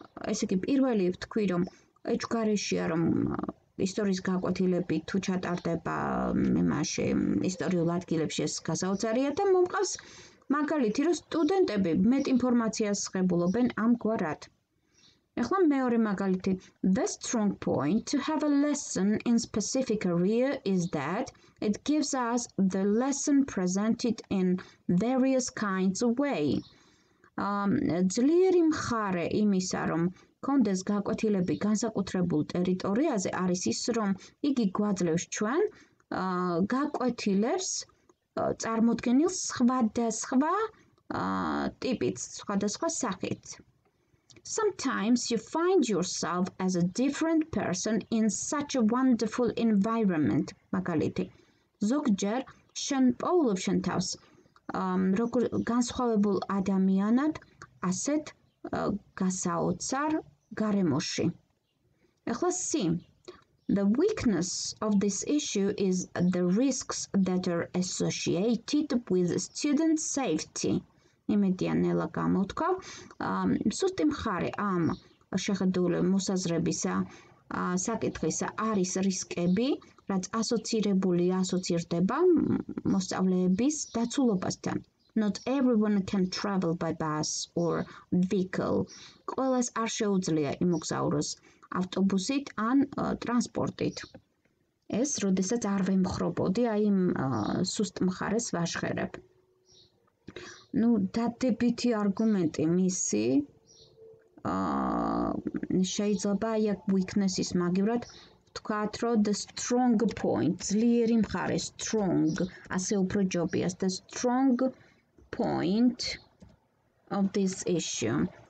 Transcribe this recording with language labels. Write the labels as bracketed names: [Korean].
[Georgian] ესე იგი პირველი ვთქვი, რომ ეჯგარეშია, რომ ისტორიის გაკვეთილები თუ ჩატარდება იმაში ისტორიულ ადგილებში ეს გასაოცარია და მომყავს მაგალითი რომ სტუდენტები მეტ ინფორმაციას ღებულობენ ამ გვარად. Ახლა მეორე მაგალითი. [English] The strong point to have a lesson in specific area is that it gives us the lesson presented in various kinds of way. [Georgian] ძლიერი მხარე იმისა რომ კონდეს გაკვეთილები განსაკუთრებულ ტერიტორიაზე არის ის რომ იგი გვაძლევს ჩვენ გაკვეთილებს წარმოდგენილ სხვადასხვა ტიპით, სხვადასხვა სახით. [English] Sometimes you find yourself as a different person in such a wonderful environment, მაგალითი. [Georgian] ზოგჯერ შენ პოულობ შენ თავს როგორ განსხვავებულ ადამიანად ასეთ გასაოცარ გარემოში. ახლა სი. [English] The weakness of this issue is the risks that are associated with student safety. [Georgian] იმედია ნელა გამოთქვა. სუსტი მხარე ამ შეხედული მოსაზრებისა საკითხისა არის რისკები, რაც ასოცირდება მოსწავლეების დაცულობასთან. [English] Not everyone can travel by bus or vehicle. [Georgian] ყველას არ შეუძლია იმოგზაუროს ავტობუსით ან ტრანსპორტით. ეს, როდესაც არ ვემხრობოდი, აი იმ სუსტ მხარეს ვაშხერებ. Ну, დადებითი არგუმენტი მისი შეიძლება აი weakness-ის მაგივრად ვთქვათ, რომ [English] the strong point, [Georgian] ძლიერი მხარე, strong, ასე უფრო ჯობია, [English] the strong point of this issue.